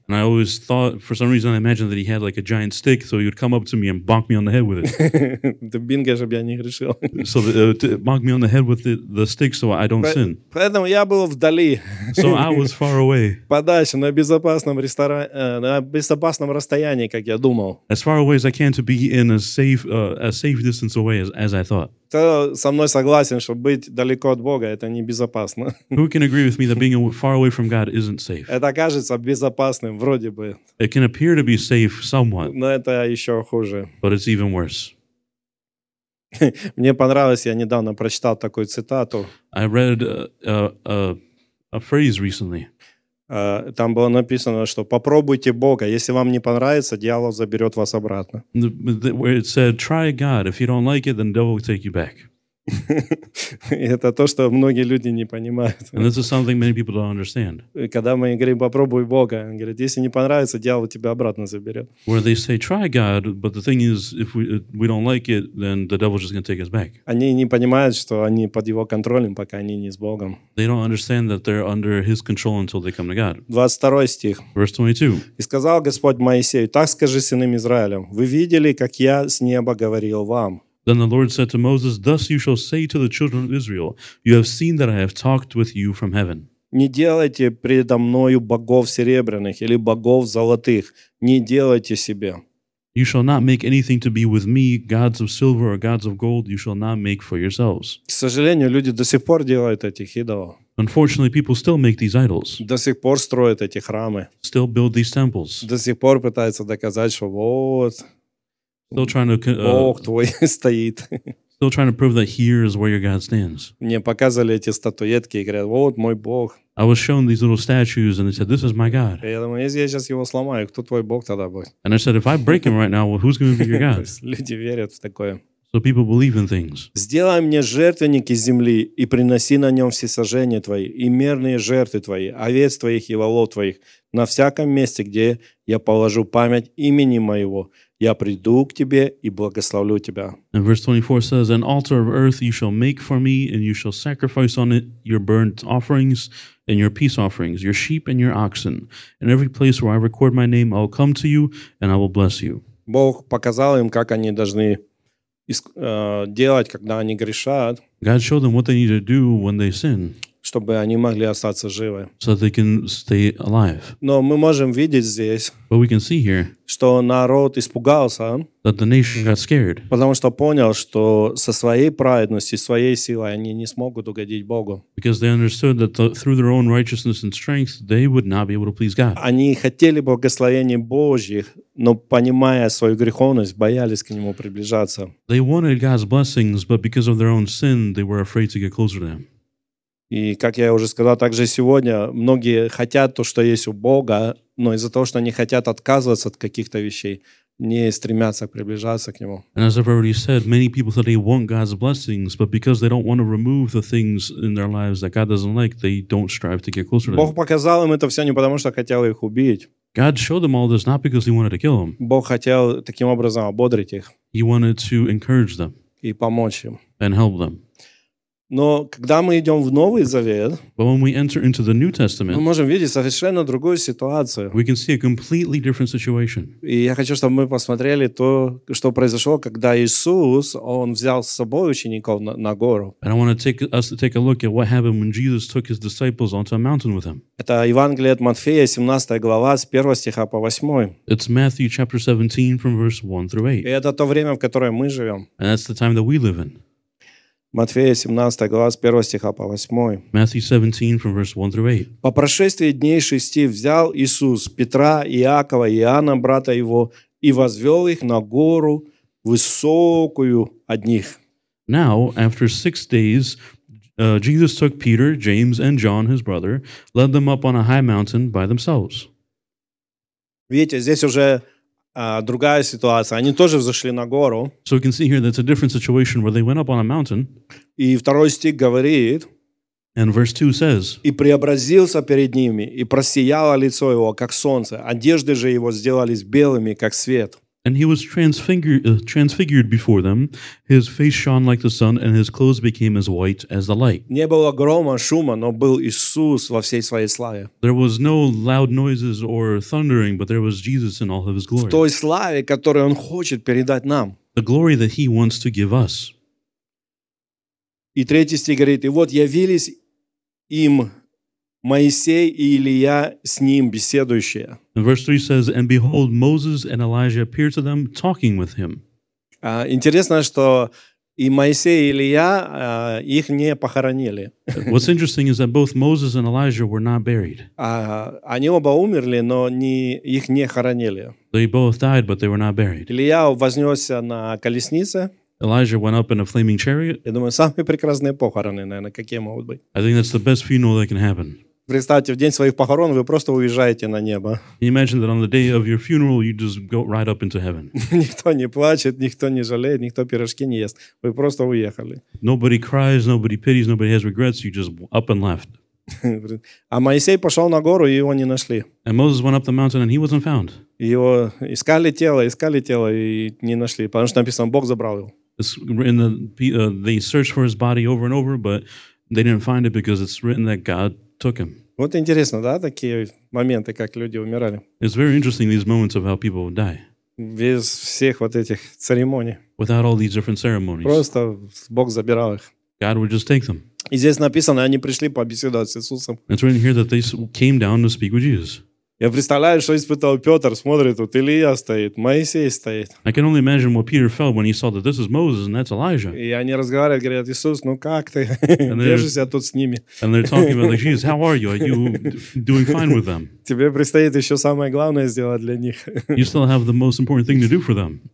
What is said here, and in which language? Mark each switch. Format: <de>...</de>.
<en>And I always thought, for some reason, I imagined that he had like a giant stick, so he would come up to me and bonk me on the head with it.</en> <ru>Дубинка, чтобы я не грешил.</ru> <en>So bonk me on the head with the stick, so I don't sin.</en> <ru>Поэтому я был вдали.</ru> <en>So I was far away.</en> <ru>Подальше, на безопасном расстоянии, как я думал.</ru> <en>As far away as I can to be in a safe distance away, as I thought.</en> <ru>Кто со мной согласен, что быть далеко от Бога, это небезопасно?</ru> <en>Who can agree with me that being far away from God isn't safe?</en> <ru>Это кажется безопасным, вроде бы.</ru> <en>It can appear to be safe somewhat.</en> <ru>Но это еще хуже.</ru> <en>But it's even worse.</en> <ru>Мне понравилось, я недавно прочитал такую цитату.</ru> <en>I read a phrase recently.</en> <ru>Там было написано, что попробуйте Бога, если вам не понравится, дьявол заберет вас обратно.</ru> <en>Where it said, try God, if you don't like it, then devil will take you back.</en> <ru>Это то, что многие люди не понимают.</ru> <en>And this is something many people don't understand.</en> <ru>Когда мы говорим, попробуй Бога, он говорит, если не понравится, дьявол тебя обратно заберет.</ru> <en>Where they say, try God, but the thing is, if we don't like it, then the devil is just going to take us back.</en> <ru>Они не понимают, что они под его контролем, пока они не с Богом.</ru> <en>They don't understand that they're under his control until they come to God.</en> <ru>22 стих.</ru> <en>Verse 22.</en> <ru>И сказал Господь Моисею, так скажи сынам Израилем, вы видели, как я с неба говорил вам.</ru> <en>Then the Lord said to Moses, thus you shall say to the children of Israel, you have seen that I have talked with you from heaven.</en> <ru>Не делайте предо мною богов серебряных или богов золотых. Не делайте себе.</ru> <en>You shall not make anything to be with me, gods of silver or gods of gold, you shall not make for yourselves.</en> <ru>К сожалению, люди до сих пор делают этих идолов.</ru> <en>Unfortunately, people still make these idols.</en> <ru>До сих пор строят эти храмы.</ru> <en>Still build these temples.</en> <ru>До сих пор пытаются доказать, что вот...</ru> <en>Still trying to</en> <ru>Бог твой стоит.</ru> <en>Still trying to prove that here is where your God stands.</en> <ru>Мне показывали эти статуэтки и говорят, вот мой Бог.</ru> <en>I was shown these little statues and they said, this is my God.</en> <ru>Я думаю, если я сейчас его сломаю, кто твой Бог тогда будет?</ru> <en>And I said, if I break him right now, well, who's going to be your God?</en> <ru>Люди верят в такое.</ru> <en>So people believe in things.</en> <ru>Сделай мне жертвенник из земли и приноси на нем всесожжения твои и мирные жертвы твои, овец твоих и волов твоих на всяком месте, где я положу память имени моего. Я приду к тебе и благословлю тебя.</ru> <en>And verse 24 says, an altar of earth you shall make for me, and you shall sacrifice on it your burnt offerings and your peace offerings, your sheep and your oxen. In every place where I record my name, I'll come to you and I will bless you.</en> <ru>Бог показал им, как они должны делать, когда они грешат.</ru> <en>God showed them what they need to do when they sin.</en> <ru>Чтобы они могли остаться живы.</ru> <en>So they can stay alive.</en> <ru>Но мы можем видеть здесь,</ru> <en>but we can see here,</en> <ru>что народ испугался,</ru> <en>that the nation got scared.</en> <ru>Потому что понял, что со своей праведностью, своей силой они не смогут угодить Богу.</ru> <en>Because they understood that through their own righteousness and strength, they would not be able to please God.</en> <ru>Они хотели благословения Божьих, но понимая свою греховность, боялись к Нему приближаться.</ru> <en>They wanted God's blessings, but because of their own sin, they were afraid to get closer to Him.</en> <ru>И, как я уже сказал, также сегодня многие хотят то, что есть у Бога, но из-за того, что они хотят отказываться от каких-то вещей, не стремятся приближаться к Нему.</ru> <en>And as I've already said, many people say they want God's blessings, but because they don't want to remove the things in their lives that God doesn't like, they don't strive to get closer to Him.</en> <ru>Бог показал им это все не потому, что хотел их убить.</ru> <en>God showed them all this not because He wanted to kill them.</en> <ru>Бог хотел таким образом ободрить их.</ru> <en>He wanted to encourage them.</en> <ru>И помочь им.</ru> <en>And help them.</en> <ru>Но когда мы идем в Новый Завет,</ru> <en>but when we enter into the New Testament,</en> <ru>мы можем видеть совершенно другую ситуацию.</ru> <en>We can see a completely different situation.</en> <ru>И я хочу, чтобы мы посмотрели то, что произошло, когда Иисус, Он взял с собой учеников на гору.</ru> <en>And I want to take us to take a look at what happened when Jesus took His disciples onto a mountain with Him.</en> <ru>Это Евангелие от Матфея, 17 глава, с 1 стиха по 8.</ru> <en>It's Matthew chapter 17 from verse 1 through 8.</en> <ru>И это то время, в которое мы живем.</ru> <en>And that's the time that we live in.</en> <ru>Матфея 17, глава с 1 стиха по 8.</ru> <en>Matthew 17, from verse 1 through 8.</en> <ru>«По прошествии дней шести взял Иисус Петра, Иакова, Иоанна, брата его, и возвел их на гору высокую одних».</ru> <en>Now, after 6 days, Jesus took Peter, James, and John, his brother, led them up on a high mountain by themselves.</en> <ru>Видите, здесь уже... другая ситуация. Они тоже взошли на гору.</ru> <en>So we can see here that it's a different situation where they went up on a mountain.</en> <ru>И второй стих говорит,</ru> <en>And verse 2 says,</en> <ru>«И преобразился перед ними, и просияло лицо его, как солнце, одежды же его сделались белыми, как свет».</ru> <en>And he was transfigured before them. His face shone like the sun, and his clothes became as white as the light.</en> <ru>Не было грома, шума, но был Иисус во всей своей славе.</ru> <en>There was no loud noises or thundering, but there was Jesus in all of his glory.</en> <ru>В той славе, которую он хочет передать нам.</ru> <en>The glory that he wants to give us.</en> <ru>И третий стих говорит, и вот явились им Моисей и Илия с ним беседующие.</ru> <en>And verse 3 says, and behold, Moses and Elijah appeared to them, talking with him.</en> <ru>Интересно, что и Моисей, и Илия их не похоронили.</ru> <en>What's interesting is that both Moses and Elijah were not buried.</en> <ru>Они оба умерли, но их не хоронили.</ru> <en>They both died, but they were not buried.</en> <ru>Илия вознесся на колеснице.</ru> <en>Elijah went up in a flaming chariot.</en> <ru>Я думаю, самые прекрасные похороны, наверное, какие могут быть.</ru> <en>I think that's the best funeral that can happen.</en> <ru>Представьте, в день своих похорон вы просто уезжаете на небо.</ru> <en>Imagine that on the day of your funeral you just go right up into heaven.</en> <ru>Никто не плачет, никто не жалеет, никто пирожки не ест. Вы просто уехали.</ru> <en>Nobody cries, nobody pities, nobody has regrets. You just up and left.</en> <ru>А Моисей пошел на гору, и его не нашли.</ru> <en>And Moses went up the mountain and he wasn't found.</en> <ru>Его искали тело, и не нашли, потому что написано, Бог забрал его.</ru> <en>They searched for his body over and over, but they didn't find it because it's written that God took him.</en> <ru>Вот интересно, да, такие моменты, как люди умирали.</ru> <en>It's very interesting these moments of how people would die.</en> <ru>Без всех вот этих церемоний.</ru> <en>Without all these different ceremonies.</en> <ru>Просто Бог забирал их.</ru> <en>God would just take them.</en> <ru>И здесь написано, они пришли побеседовать с Иисусом.</ru> <en>It's written here that they came down to speak with Jesus.</en> <ru>Я представляю, что испытал Петр, смотрит, тут Илия стоит, Моисей стоит.</ru> <en>I can only imagine what Peter felt when he saw that this is Moses and that's Elijah.</en> <ru>И они разговаривают, говорят, Иисус, ну как ты? Держишься тут с ними.</ru> <en>And they're talking about, like, Jesus, how are you? Are you doing fine with them?</en> <ru>Тебе предстоит еще самое главное сделать для них.</ru> <en>You still have the most important thing to do for them.</en>